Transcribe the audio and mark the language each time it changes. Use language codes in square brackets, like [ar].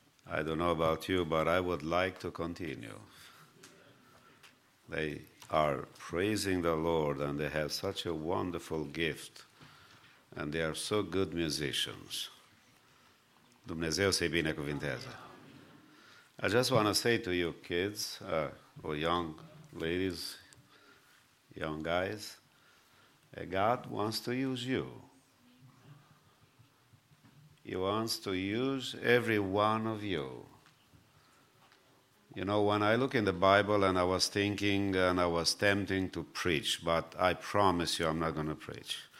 [en] I don't know about you, but I would like to continue. They are praising the Lord, and they have such a wonderful gift, and they are so good musicians. [ro] Dumnezeu să-i binecuvinteze. [en] I just want to say to you kids, or young ladies, young guys, God wants to use you. He wants to use every one of you. You know, when I look in the Bible and I was thinking and I was tempting to preach, but I promise you I'm not going to preach.